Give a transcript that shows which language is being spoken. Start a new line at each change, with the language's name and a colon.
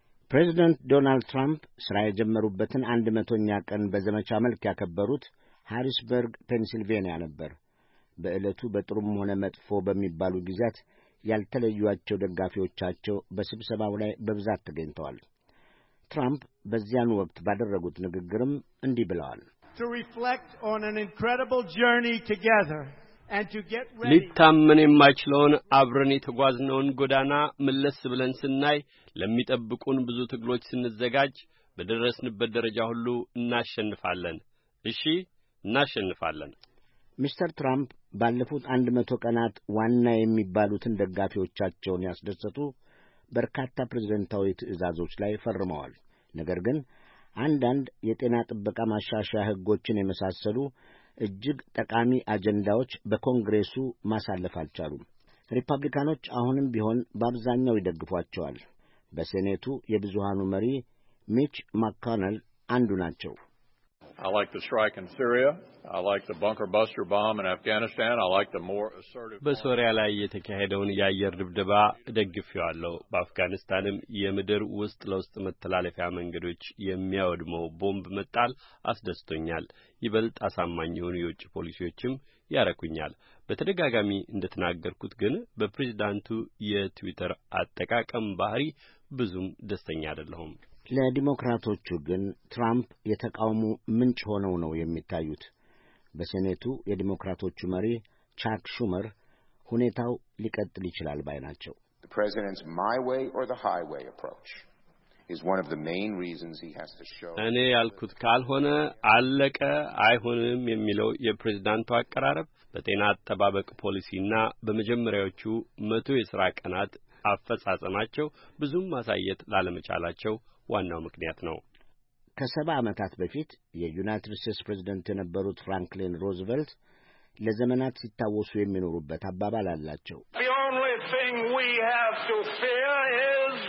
Amharic: ፕሬዝደንት ዶናልድ ትራምፕ ሥራ የጀመሩበትን 100ኛ ቀን በዘመቻ መልክ ያከበሩት ሃሪስበርግ ፔንሲልቬንያ ነበር። በዕለቱ በጥሩም ሆነ መጥፎ በሚባሉ ጊዜያት ያልተለዩአቸው ደጋፊዎቻቸው በስብሰባው ላይ በብዛት ተገኝተዋል። ትራምፕ በዚያን ወቅት ባደረጉት ንግግርም እንዲህ ብለዋል።
English: To reflect on an incredible journey together and to get ready
Amharic: ሊታመን የማይችለውን አብረን የተጓዝነውን ጎዳና መለስ ብለን ስናይ ለሚጠብቁን ብዙ ትግሎች ስንዘጋጅ በደረስንበት ደረጃ ሁሉ እናሸንፋለን። እሺ እናሸንፋለን። ሚስተር ትራምፕ ባለፉት 100 ቀናት ዋና የሚባሉትን ደጋፊዎቻቸውን ያስደሰቱ በርካታ ፕሬዝደንታዊ ትእዛዞች ላይ ፈርመዋል። ነገር ግን አንዳንድ የጤና ጥበቃ ማሻሻያ ህጎችን የመሳሰሉ እጅግ ጠቃሚ አጀንዳዎች በኮንግሬሱ ማሳለፍ አልቻሉም። ሪፐብሊካኖች አሁንም ቢሆን በአብዛኛው ይደግፏቸዋል። በሴኔቱ የብዙሃኑ መሪ ሚች ማካነል አንዱ ናቸው።
English: I like the strike in Syria. I like the bunker buster bomb in Afghanistan. I like the more assertive
Amharic: በሶሪያ ላይ የተካሄደውን የአየር ድብደባ እደግፋለሁ። በአፍጋኒስታንም የምድር ውስጥ ለውስጥ መተላለፊያ መንገዶች የሚያወድመው ቦምብ መጣል አስደስቶኛል። ይበልጥ አሳማኝ የሆኑ የውጭ ፖሊሲዎችም ያረኩኛል። በተደጋጋሚ እንደተናገርኩት ግን በፕሬዝዳንቱ የትዊተር አጠቃቀም ባህሪ ብዙም ደስተኛ አይደለሁም። ለዲሞክራቶቹ ግን ትራምፕ የተቃውሞ ምንጭ ሆነው ነው የሚታዩት። በሴኔቱ የዲሞክራቶቹ መሪ ቻክ ሹመር ሁኔታው ሊቀጥል ይችላል ባይ ናቸው።
English: The president's my way or the highway approach is one of the main reasons he has to show
Amharic: እኔ ያልኩት ካልሆነ አለቀ አይሆንም የሚለው የፕሬዝዳንቱ አቀራረብ በጤና አጠባበቅ ፖሊሲና በመጀመሪያዎቹ 100 የሥራ ቀናት አፈጻጸማቸው ብዙም ማሳየት ላለመቻላቸው ዋናው ምክንያት ነው። ከሰባ ዓመታት በፊት የዩናይትድ ስቴትስ ፕሬዝደንት የነበሩት ፍራንክሊን ሮዝቬልት ለዘመናት ሲታወሱ የሚኖሩበት አባባል አላቸው።
English: The only thing we have to fear is